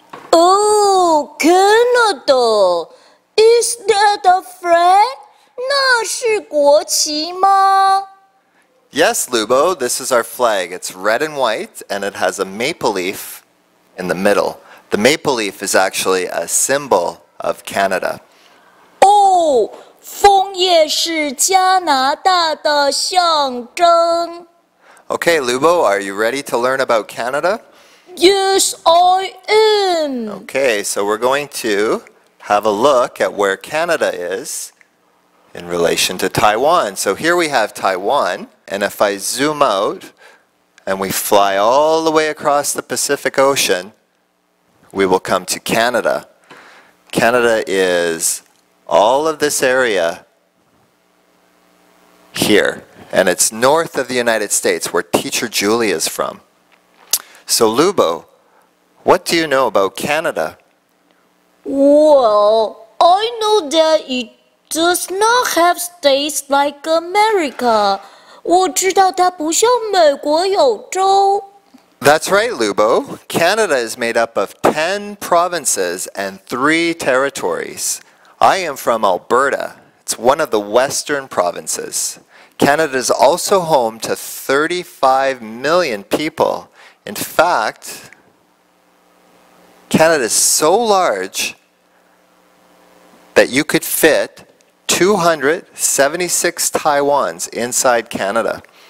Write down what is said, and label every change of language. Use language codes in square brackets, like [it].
[en] Oh, Canada! Is that a flag? [zh] 那是国旗吗? [en] Yes, Lubo, this is our flag. It's red and white, and it has a maple leaf in the middle. The maple leaf is actually a symbol of Canada. [zh] Oh, 枫叶是加拿大的象征。 [en] Okay, Lubo, are you ready to learn about Canada? Yes, I am. Okay, so we're going to have a look at where Canada is in relation to Taiwan. So here we have Taiwan, and if I zoom out and we fly all the way across the Pacific Ocean, we will come to Canada. Canada is all of this area here, and it's north of the United States, where Teacher Julie is from. So, Lubo, what do you know about Canada? Well, I know that it does not have states like America. [zh] 我知道它不像美国有州。 [en] That's right, Lubo. Canada is made up of 10 provinces and 3 territories. I am from Alberta. It's one of the western provinces. Canada is also home to 35 million people. In fact, Canada is so large that you could fit 276 Taiwans inside Canada.